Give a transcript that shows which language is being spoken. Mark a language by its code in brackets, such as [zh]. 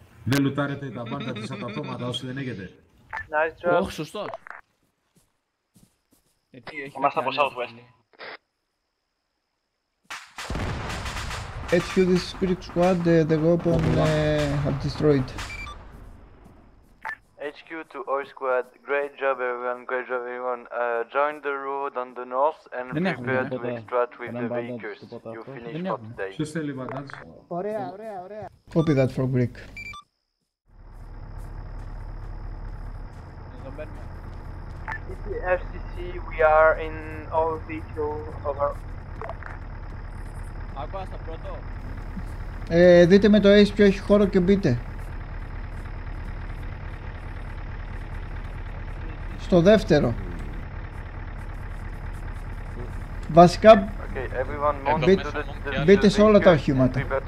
[el] Δεν λουτάρετε τα πάντα της από τα αυτόματα όσοι δεν έχετε. [en] Nice job. [el] Oh, σωστό. Είμαστε από Southwest. [en] HQ, this is Greek squad, the weapon have destroyed. HQ to OI squad, great job everyone, great job everyone. Join the road on the north and prepare to extract with the vehicles. You finish for today. [el] Ωραία. [en] Copy that for Greek. This is FCC, we are in all the two of our... [el] Ακούω στο πρώτο. Δείτε με το Ace ποιο έχει χώρο και μπείτε. Στο δεύτερο. Βασικά... [en] Okay, everyone, move [el] μπείτε σε όλα τα οχήματα.